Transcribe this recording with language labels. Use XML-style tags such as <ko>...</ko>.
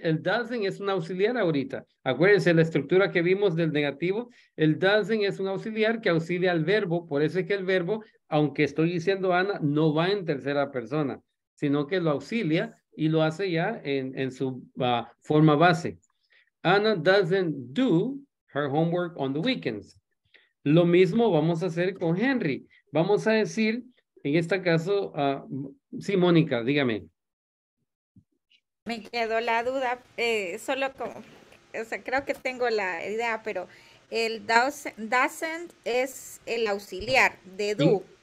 <es>El doesn't es un auxiliar ahorita. Acuérdense la estructura que vimos del negativo. El doesn't es un auxiliar que auxilia al verbo. Por eso es que el verbo, aunque estoy diciendo Ana, no va en tercera persona, sino que lo auxilia y lo hace ya en su forma base.</es> <en>Ana doesn't do her homework on the weekends.</en> <es>Lo mismo vamos a hacer con Henry. Vamos a decir, en este caso, sí, Mónica, dígame. Me quedó la duda, solo como, o sea, creo que tengo la idea, pero... El doesn't es el auxiliar de do.</es>